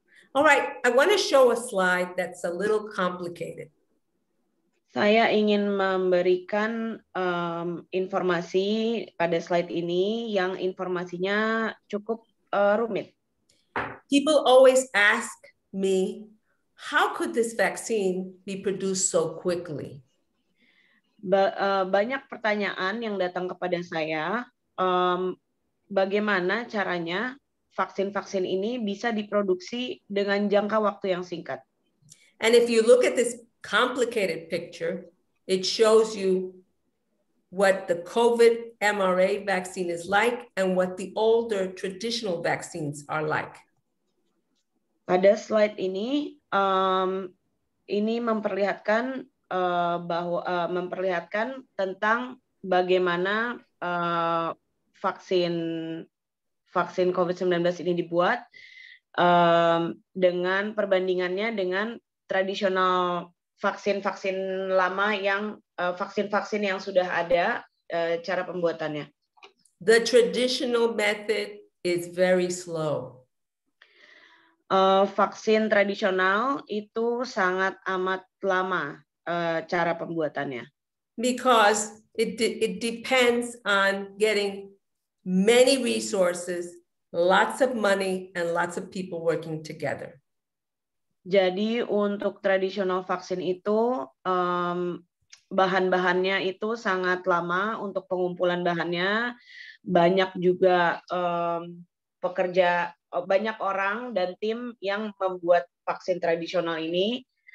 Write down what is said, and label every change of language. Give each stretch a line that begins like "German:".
English: All right, I want to show a slide that's a little complicated.
Indonesian: Saya ingin memberikan informasi pada slide ini yang informasinya cukup rumit.
English: People always ask me, how could this vaccine be produced so quickly?
Indonesian: Banyak pertanyaan yang datang kepada saya, bagaimana caranya vaksin-vaksin ini bisa diproduksi dengan jangka waktu yang singkat.
English: And if you look at this complicated picture, it shows you what the COVID mRNA vaccine is like and what the older traditional vaccines are like.
Indonesian: Pada slide ini memperlihatkan memperlihatkan tentang bagaimana vaksin COVID-19 ini dibuat dengan perbandingannya dengan tradisional vaksin-vaksin lama yang vaksin-vaksin yang sudah ada cara pembuatannya.
English: The traditional method is very slow.
Indonesian: Vaksin tradisional itu sangat amat lama cara pembuatannya.
English: Because it depends on getting many resources, lots of money, and lots of people working together.
Indonesian: Jadi untuk tradisional vaksin itu bahan-bahannya itu sangat lama untuk pengumpulan bahannya, banyak juga pekerja, banyak orang dan tim yang membuat vaksin tradisional ini.